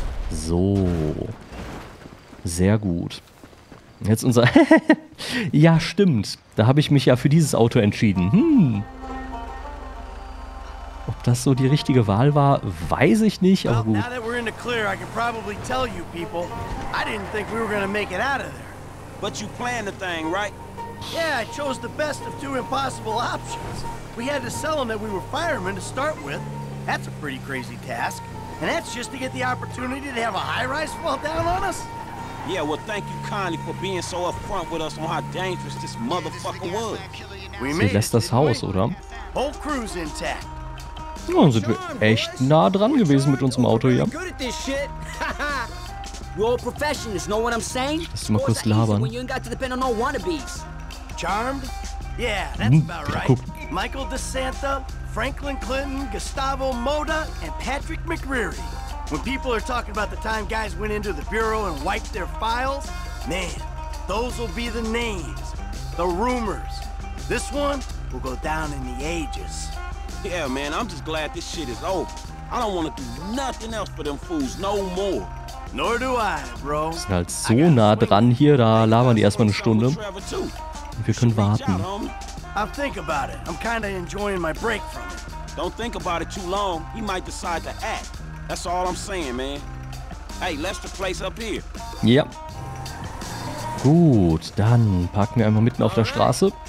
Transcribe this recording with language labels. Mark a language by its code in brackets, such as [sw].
[de] So. Sehr gut. Jetzt unser... ja, stimmt. Da habe ich mich ja für dieses Auto entschieden. Hm. Ob das so die richtige Wahl war, weiß ich nicht, aber gut. [en] Now that we're in the clear, I can probably tell you people, I didn't think we were gonna make it out of there. But you planned the thing, right? Yeah, I chose the best of two impossible options. We had to sell them that we were firemen to start with. That's a pretty crazy task. And that's just to get the opportunity to have a high-rise fall down on us? Yeah, well, thank you kindly for being so upfront with us on how dangerous this motherfucker was. We made it. [de] Sie lässt das Haus, oder? [en] Whole crew's intact. [de] Nun sind wir echt nah dran gewesen mit unserem Auto hier. [en] Good at this shit. You're all professionals, know what I'm saying? [de] Lass mal kurz labern. [en] When you ain't got to depend on no wannabes. Charmed? Yeah, that's about right. Michael DeSanta, Franklin Clinton, Gustavo Moda, and Patrick McCreary. When people are talking about the time guys went into the bureau and wiped their files, man, those will be the names, the rumors. This one will go down in the ages. Yeah, man, I'm just glad this shit is over. I don't want to do nothing else for them fools no more. Nor do I, bro. [de] Wir sind halt so nah dran hier, da labern die erstmal eine Stunde. Wir können warten. [en] I'm thinking about it. I'm kind of enjoying my break from it. Don't think about it too long. He might decide to act. That's all I'm saying, man. Hey, let's the place up here. Yep. [de] Gut, dann parken wir einmal mitten auf der Straße.